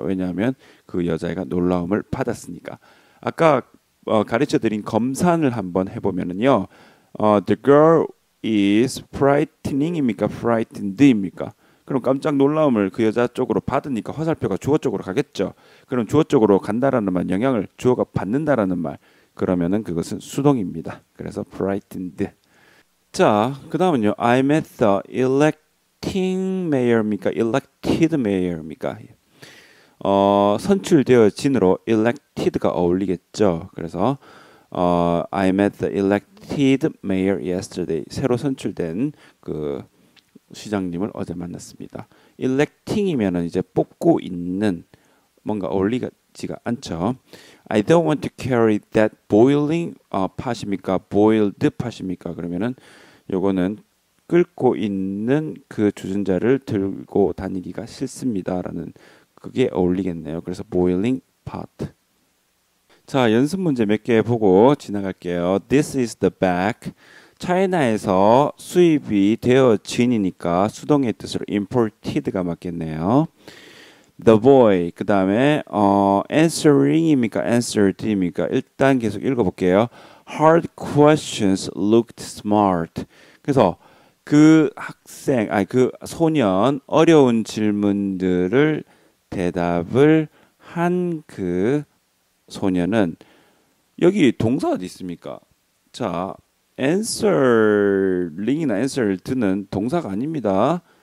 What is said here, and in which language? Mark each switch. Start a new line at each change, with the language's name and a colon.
Korean: 왜냐하면 그 여자애가 놀라움을 받았으니까. 아까 가르쳐드린 검산을 한번 해보면은요,
English: the girl is frightening
Korean: 입니까? frightened입니까? 그럼 깜짝 놀라움을 그 여자 쪽으로 받으니까 화살표가 주어 쪽으로 가겠죠. 그럼 주어 쪽으로 간다라는 말, 영향을 주어가 받는다라는 말, 그러면은 그것은 수동입니다. 그래서 frightened. 자, 그 다음은요,
English: I met the electing mayor입니까? elected mayor입니까?
Korean: 선출되어진으로 elected가 어울리겠죠.
English: 그래서 I met the elected mayor yesterday.
Korean: 새로 선출된 그 시장님을 어제 만났습니다. electing이면은 이제 뽑고 있는 뭔가 어울리지가 않죠.
English: I don't want to carry that boiling pot입니까? boiled pot입니까?
Korean: 그러면은 요거는 끓고 있는 그 주전자를 들고 다니기가 싫습니다라는 그게 어울리겠네요. 그래서 boiling pot. 자, 연습 문제 몇개 보고 지나갈게요.
English: This is the bag.
Korean: 차이나에서 수입이 되어 진이니까 수동의 뜻으로 imported가 맞겠네요.
English: The boy.
Korean: 그 다음에 answering입니까? answered입니까? 일단 계속 읽어볼게요.
English: Hard questions looked smart.
Korean: 그래서 그 학생, 아니 그 소년 어려운 질문들을 대답을 한그 소년은 여기 동사 어디 있습니까? 자, answering이나 answered는 동사가 아닙니다.